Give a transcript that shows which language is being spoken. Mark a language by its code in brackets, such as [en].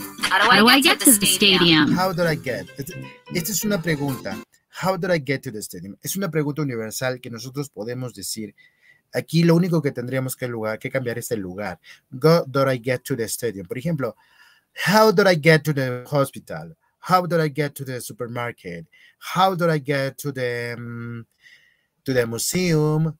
[en] How do I get to the stadium? How do I get? [es] Esta es una pregunta. [en] How did I get to the stadium? [es] Es una pregunta universal que nosotros podemos decir. Aquí lo único que tendríamos que cambiar es el lugar. [en] Go, did I get to the stadium? [es] Por ejemplo, [en] how did I get to the hospital? How did I get to the supermarket? How did I get to the museum?